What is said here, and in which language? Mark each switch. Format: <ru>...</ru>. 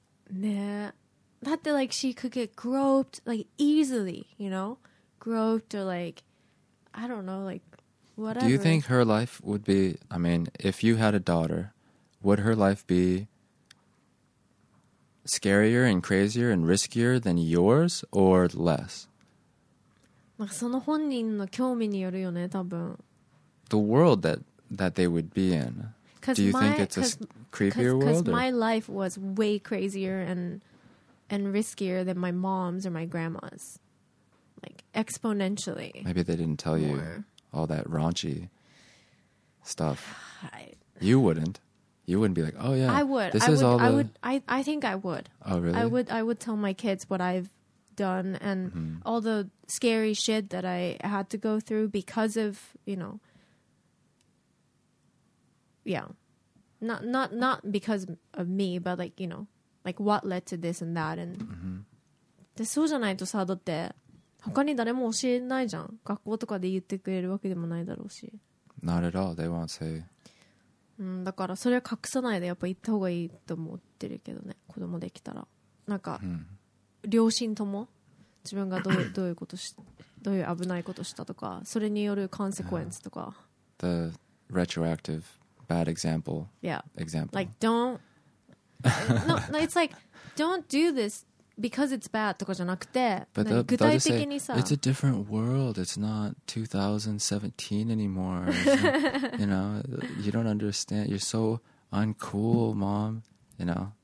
<ja>ねえ、だって</ja> <en>like she could get groped like easily, you know, groped or like I don't know, like whatever. Do you think her life would be, I mean, if you had a daughter, would her life beScarier and crazier and riskier than yours or less?</en> <ja>なんかその本人の興味によるよね、多分。</ja> <en>The world that they would be in. Do you think it's a creepier world? Because my life was way crazier and riskier than my mom's or my grandma's. Like, exponentially. Maybe they didn't tell you all that raunchy stuff. I... You wouldn't. You wouldn't be like, oh yeah, I would. This I is would, all the... I would. I think I would. Oh really? I would tell my kids what I've done and all the scary shit that I had to go through because of, you know, yeah, not because of me, but like, you know, like what led to this and that.</en> <ja>And でそうじゃないとさ、だって他に誰も教えないじゃん。学校とかで言ってくれるわけでもないだろうし。</ja> <en>Not at all. They won't say.</en> <ja>うん、だからそれは隠さないでやっぱ言った方がいいと思ってるけどね、子供できたらなんか、うん、両親とも自分がどういうことしどういう危ないことしたとかそれによるコンセクエンスとか、</ja> <en>The retroactive bad example. Yeah. Example. Like don't no, it's like don't do this because it's bad</en> <ja>とかじゃなくて、</ja> <en>But、</en> <ja>具体的にさ</ja> <en>say, It's a different world. It's not 2017 anymore. You know, you don't understand. You're so uncool, mom. You know?</en>